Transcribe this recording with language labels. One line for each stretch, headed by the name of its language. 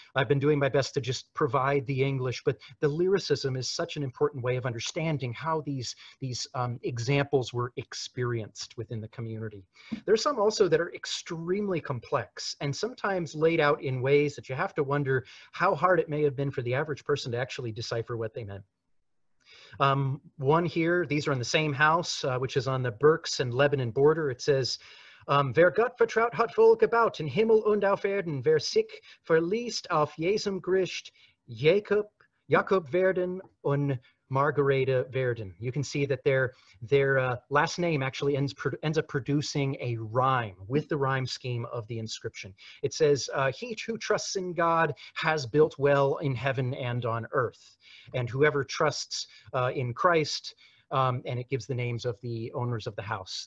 English: I've been doing my best to just provide the English, but the lyricism is such an important way of understanding how these examples were experienced within the community. There are some also that are extremely complex and sometimes laid out in ways that you have to wonder how hard it may have been for the average person to actually decipher what they meant. One here, these are in the same house, which is on the Berks and Lebanon border. It says,
German: Wer Gott vertraut hat Volk gebaut in Himmel und auf Erden, wer sich verliest auf Jesum Christ, Jakob werden und Margareta werden.
English: You can see that their last name actually ends up producing a rhyme with the rhyme scheme of the inscription. It says, he who trusts in God has built well in heaven and on earth. And whoever trusts in Christ, and it gives the names of the owners of the house.